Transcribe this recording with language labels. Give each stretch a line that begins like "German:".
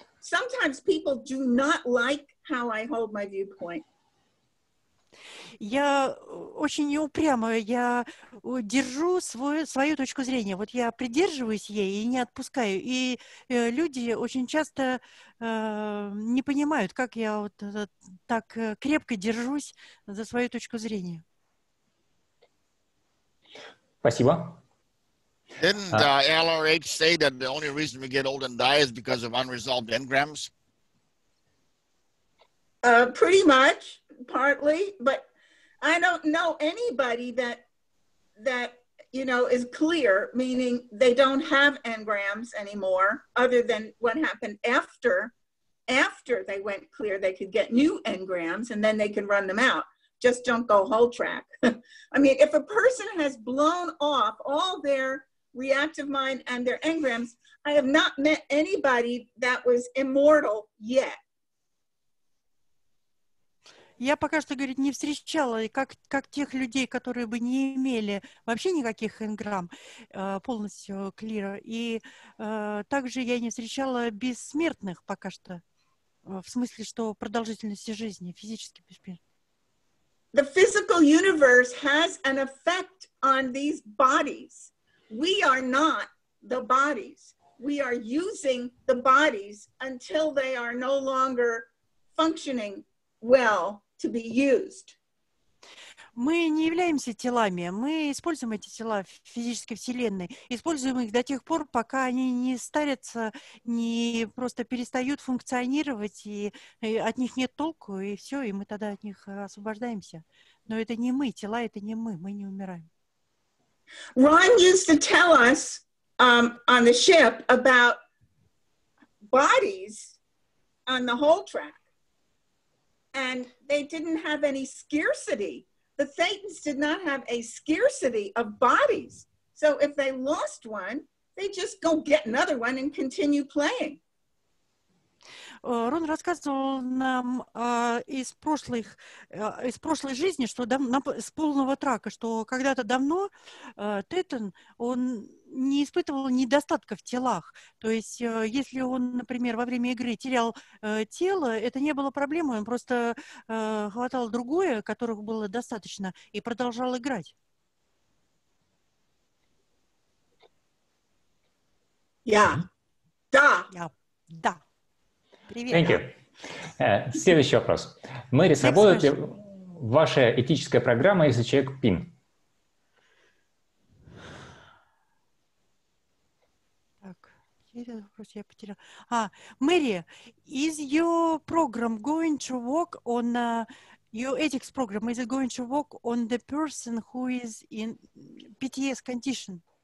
English: Sometimes people do not like how I hold my viewpoint.
Russian: Я очень неупрямая, я держу свою точку зрения. Вот я придерживаюсь ей и не отпускаю. И люди очень часто не понимают, как я вот так крепко держусь за свою точку зрения. Спасибо.
English: Didn't LRH say that the only reason we get old and die is because of unresolved engrams? Pretty much. Partly, but I don't know anybody that you know is clear, meaning they don't have engrams anymore, other than what happened after after they went clear, they could get new engrams and then they can run them out. Just don't go whole track. I mean, if a person has blown off all their reactive mind and their engrams, I have not met anybody that was immortal yet.
Russian: Я пока что, говорит, не встречала, как тех людей, которые бы не имели вообще никаких энграмм, полностью клира. И также я не встречала бессмертных пока что, в смысле, что продолжительности жизни, физически бессмертных.
English: The physical universe has an effect on these bodies. We are not the bodies. We are using the bodies until they are no longer functioning well. To be used.
Russian: Мы не являемся телами, мы используем эти тела в физической вселенной, используем их до тех пор, пока они не старятся, не просто перестают функционировать, и от них нет толку, и все, и мы тогда от них освобождаемся. Но это не мы, тела это не мы, мы не умираем.
English: Ron used to tell us on the ship about bodies on the whole track. And they didn't have any scarcity. The Thetans did not have a scarcity of bodies. So if they lost one, they just go get another one and continue playing.
Russian: Рон рассказывал нам из прошлой жизни, что с полного трака, что когда-то давно Тетан, он не испытывал недостатка в телах. То есть, если он, например, во время игры терял тело, это не было проблемой, он просто хватал другое, которых было достаточно, и продолжал играть. Да. Привет.
English: Thank you.
Russian: Следующий вопрос. Мэри, работает ли ваша этическая программа, если человек пин?
English: Мэри, is your program going to work on your ethics program? Is it going to work on the person who is in PTS condition?